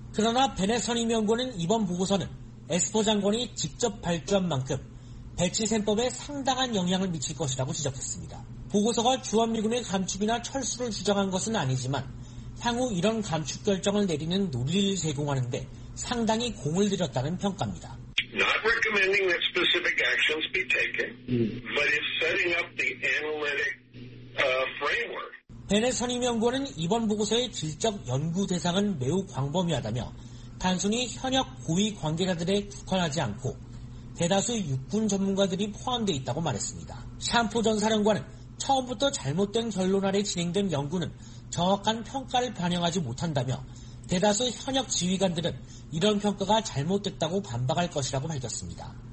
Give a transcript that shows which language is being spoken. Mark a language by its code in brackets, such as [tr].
[ko] 그러나 베넷 선임연구원은 이번 보고서는 에스퍼 장관이 직접 발주한 만큼 배치셈법에 상당한 영향을 미칠 것이라고 지적했습니다. 보고서가 주한미군의 감축이나 철수를 주장한 것은 아니지만 향후 이런 감축 결정을 내리는 논리를 제공하는 데 상당히 공을 들였다는 평가입니다. [en] Not recommending that specific actions be taken, but it's setting up the analytic framework. [ko] 베넷 선임연구원은 이번 보고서의 질적 연구 대상은 매우 광범위하다며 단순히 현역 고위 관계자들에 국한하지 않고 대다수 육군 전문가들이 포함되어 있다고 말했습니다. 샴포 전 사령관은 처음부터 잘못된 결론 아래 진행된 연구는 정확한 평가를 반영하지 못한다며 대다수 현역 지휘관들은 이런 평가가 잘못됐다고 반박할 것이라고 밝혔습니다.